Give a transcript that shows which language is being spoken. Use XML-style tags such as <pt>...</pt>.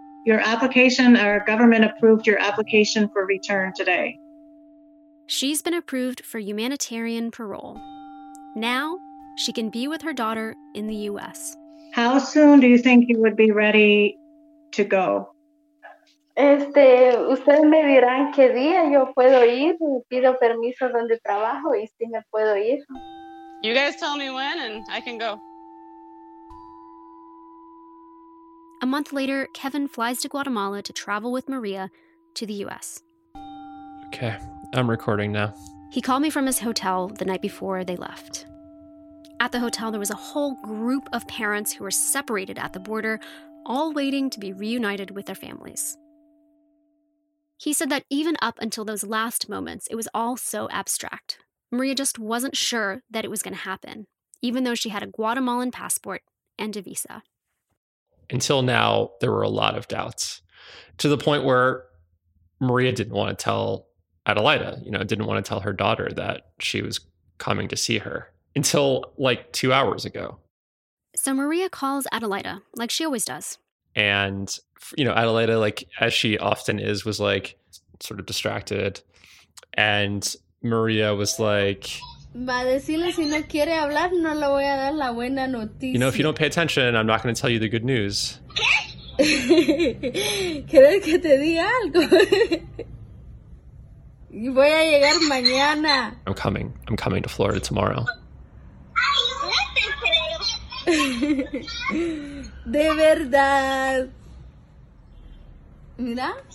<en>Our government approved your application for return today. She's been approved for humanitarian parole. Now, she can be with her daughter in the U.S. How soon do you think you would be ready to go?</en> <es>Ustedes me dirán qué día yo puedo ir, pido permiso donde trabajo y si me puedo ir.</es> <en>You guys tell me when and I can go. A month later, Kevin flies to Guatemala to travel with Maria to the U.S. Okay, I'm recording now. He called me from his hotel the night before they left. At the hotel, there was a whole group of parents who were separated at the border, all waiting to be reunited with their families. He said that even up until those last moments, it was all so abstract. Maria just wasn't sure that it was going to happen, even though she had a Guatemalan passport and a visa. Until now, there were a lot of doubts, to the point where Maria didn't want to tell Adelaida, you know, didn't want to tell her daughter that she was coming to see her until like 2 hours ago. So Maria calls Adelaida, like she always does. And, you know, Adelaida, like, as she often is, was, like, sort of distracted. And Maria was like,</en> <es>va a decirle si no quiere hablar, no le voy a dar la buena noticia.</es> <en>You know, if you don't pay attention, I'm not going to tell you the good news.</en> <es>¿Qué? ¿Quieres que te di algo? Voy a llegar mañana.</es> <en>I'm coming. I'm coming to Florida tomorrow.</en> <es>De verdad. Mira?</es>